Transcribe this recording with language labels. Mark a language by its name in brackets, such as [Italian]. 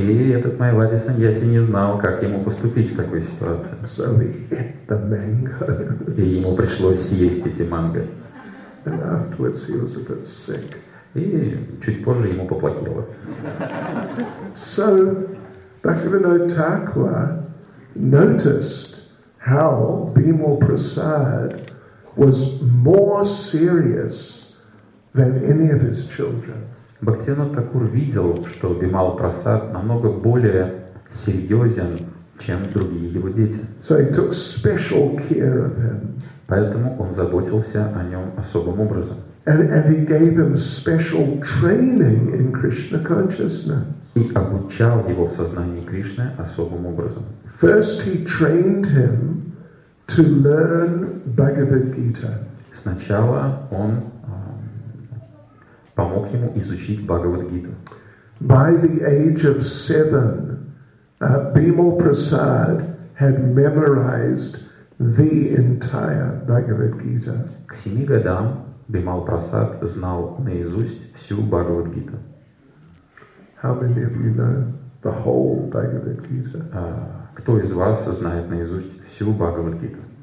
[Russian] И этот Майвади Саньяси не знал, как ему поступить в такой ситуации. [English] So he ate the mango. [Russian] И ему пришлось съесть эти манго. [English] And afterwards he was a bit sick. [Russian] И чуть позже ему поплохело. [English] So Bhaktivinoda Thakura noticed how Bimal Prasad was more serious than any of his children. [Russian] Бхактивинода Такур видел, что Бимал Прасад намного более серьезен, чем другие его дети. [English] So he took special care of him. [Russian] Поэтому он заботился о нем особым образом. [English] And he gave him special training in Krishna consciousness. [Russian] И обучал его в сознании Кришны особым образом. [English] First he trained him to learn Bhagavad Gita. [Russian] Сначала он помог ему изучить Бхагавад-гиту. [English] By the age of 7, Bimal Prasad had memorized the entire Bhagavad-gita. [Russian] К 7 годам Бимал Прасад знал наизусть всю Бхагавад-гиту. [English] How many of you know the whole Bhagavad-gita? [Russian] Кто из вас знает наизусть всю Бхагавад-гиту?